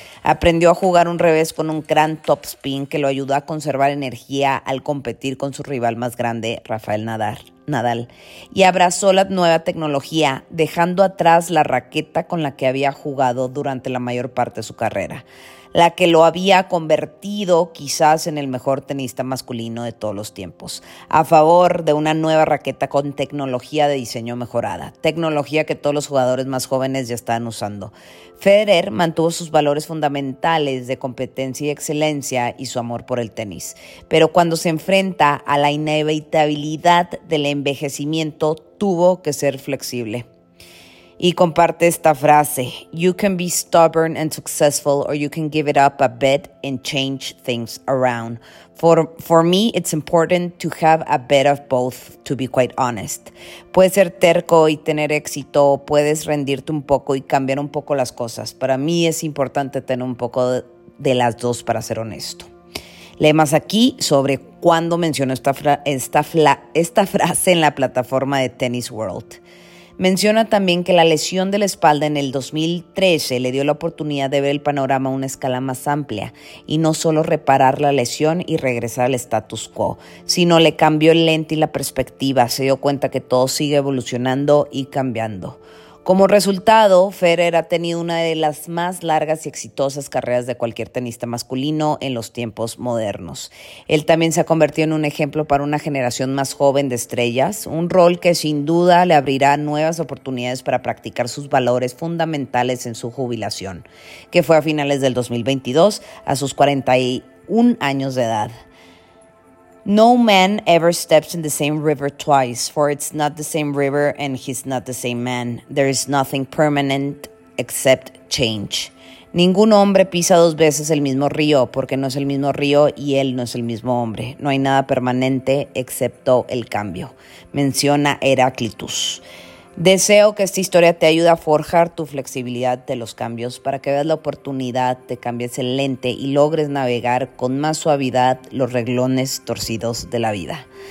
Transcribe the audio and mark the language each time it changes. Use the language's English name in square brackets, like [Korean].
[Spanish] Aprendió a jugar un revés con un gran topspin que lo ayudó a conservar energía al competir con su rival más grande, Rafael Nadal, y abrazó la nueva tecnología, dejando atrás la raqueta con la que había jugado durante la mayor parte de su carrera, la que lo había convertido quizás en el mejor tenista masculino de todos los tiempos, a favor de una nueva raqueta con tecnología de diseño mejorada, tecnología que todos los jugadores más jóvenes ya están usando. Federer mantuvo sus valores fundamentales de competencia y excelencia y su amor por el tenis, pero cuando se enfrenta a la inevitabilidad del envejecimiento, tuvo que ser flexible. Y comparte esta frase: [English] "You can be stubborn and successful, or you can give it up a bit and change things around. For me, it's important to have a bit of both, to be quite honest." [Spanish] Puedes ser terco y tener éxito, puedes rendirte un poco y cambiar un poco las cosas. Para mí es importante tener un poco de las dos, para ser honesto. Lee más aquí sobre cuándo menciono esta frase en la plataforma de Tennis World. Menciona también que la lesión de la espalda en el 2013 le dio la oportunidad de ver el panorama a una escala más amplia y no solo reparar la lesión y regresar al status quo, sino le cambió el lente y la perspectiva. Se dio cuenta que todo sigue evolucionando y cambiando. Como resultado, Federer ha tenido una de las más largas y exitosas carreras de cualquier tenista masculino en los tiempos modernos. Él también se ha convertido en un ejemplo para una generación más joven de estrellas, un rol que sin duda le abrirá nuevas oportunidades para practicar sus valores fundamentales en su jubilación, que fue a finales del 2022, a sus 41 años de edad. [English] "No man ever steps in the same river twice, for it's not the same river and he's not the same man. There is nothing permanent except change." [Spanish] Ningún hombre pisa dos veces el mismo río, porque no es el mismo río y él no es el mismo hombre. No hay nada permanente excepto el cambio, menciona Heráclitus. Deseo que esta historia te ayude a forjar tu flexibilidad de los cambios para que veas la oportunidad, te cambies el lente y logres navegar con más suavidad los renglones torcidos de la vida.